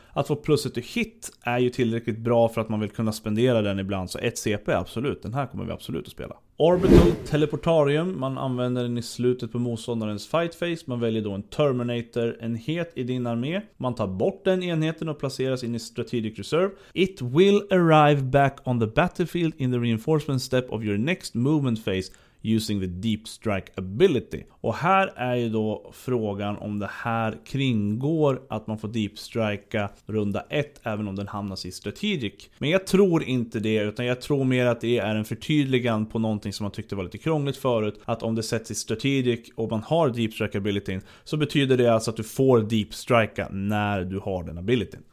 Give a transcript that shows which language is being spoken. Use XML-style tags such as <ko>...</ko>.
<sv>Att få plusset till hit är ju tillräckligt bra för att man vill kunna spendera den ibland. Så ett CP absolut, den här kommer vi absolut att spela. Orbital Teleportarium, man använder den i slutet på motståndarens fight phase. Man väljer då en Terminator-enhet i din armé. Man tar bort den enheten och placeras in i Strategic Reserve.</sv> <en>It will arrive back on the battlefield in the reinforcement step of your next movement phase using the deep strike ability.</en> <sv>Och här är ju då frågan om det här kringgår att man får deep strike runda 1 även om den hamnas i strategic. Men jag tror inte det, utan jag tror mer att det är en förtydligande på någonting som man tyckte var lite krångligt förut, att om det sätts i strategic och man har deep strike ability så betyder det alltså att du får deep strike när du har den abilityn.</sv>